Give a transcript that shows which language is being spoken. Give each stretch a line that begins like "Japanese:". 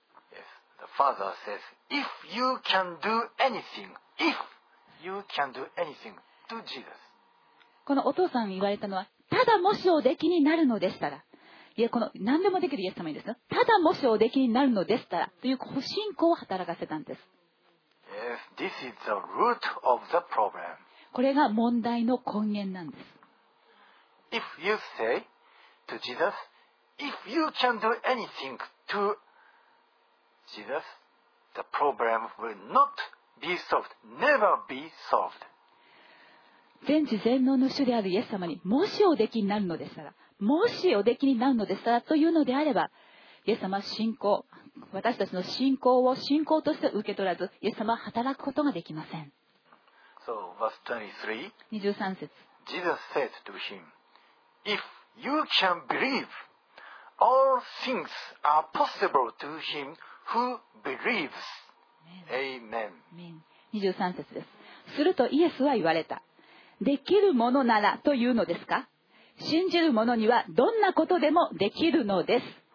English: Yes, the father says, If you can do anything, if you can do anything to Jesus.
Japanese: このお父さんに言われたのは、ただもしおできになるのでしたら、いや、この何でもできるイエス様ですよ。ただもしおできになるのでしたらという不信仰を働かせたんです。
English: Yes, this is the root of the problem.
Japanese: これが問題の根源なんです。
English: If you say to Jesus, if you can do anything to Jesus, the problem will not be solved, never be solved.
Japanese: 全知全能の主であるイエス様にもしおできになるのでしたら、もしおできになるのでしたらというのであれば、イエス様信仰、私たちの信仰を信仰として受け取らず、イエス様は働くことができません。
English: So, verse
Japanese: 23, 23節。
English: Jesus said to him, If you can believe, all things are possible to him who believes. Amen.
Japanese: 23節です。するとイエスは言われた。できるものならというのですか。信じる者にはどんなことでもできるのです。